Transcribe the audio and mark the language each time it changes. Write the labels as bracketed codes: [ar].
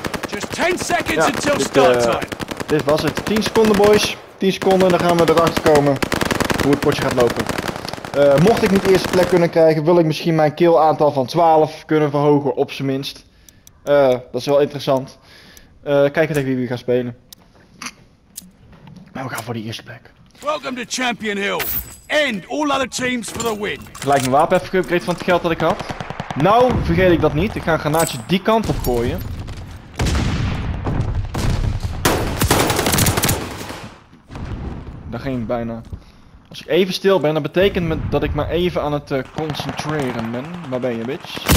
[en] Just 10 seconds until start time. [nl] Dit was het, 10 seconden boys. 10 seconden, dan gaan we erachter komen. Hoe het potje gaat lopen. Mocht ik niet eerste plek kunnen krijgen, wil ik misschien mijn kill aantal van 12 kunnen verhogen, op zijn minst. Dat is wel interessant. Kijken tegen wie we gaan spelen. Maar we gaan voor die eerste plek. [en] Welcome to Champion Hill. And all other teams for the win. [nl] Gelijk mijn wapen even geüpgraded van het geld dat ik had. Nou, vergeet ik dat niet. Ik ga een granaatje die kant op gooien. Daar ging bijna. Als ik even stil ben, dat betekent dat ik maar even aan het concentreren ben. Waar ben je, bitch?